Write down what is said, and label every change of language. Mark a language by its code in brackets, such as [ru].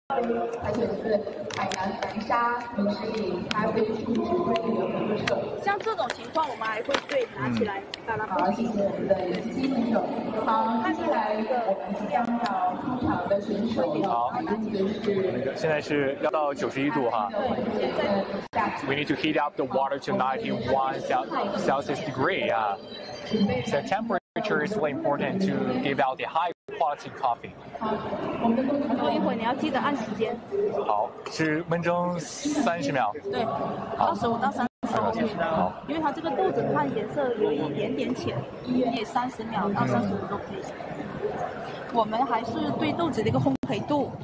[zh] 而且是海南白沙，同时以咖啡树脂为原料的。像这种情况我们还会对拿起来把它好，谢谢我们的机器手。好，看起来一个我们即将要出场的选手，好，现在是要到91度哈。对，现在 [en] We need to heat up the water to 91 Celsius degree. So temperature is really important to give out the high quality coffee. [zh] 做一会你要记得按时间。好，是闷蒸30秒。对，25到30秒。好，因为它这个豆子它颜色有一点点浅，也30秒到35都可以。我们还是对豆子的一个烘焙度。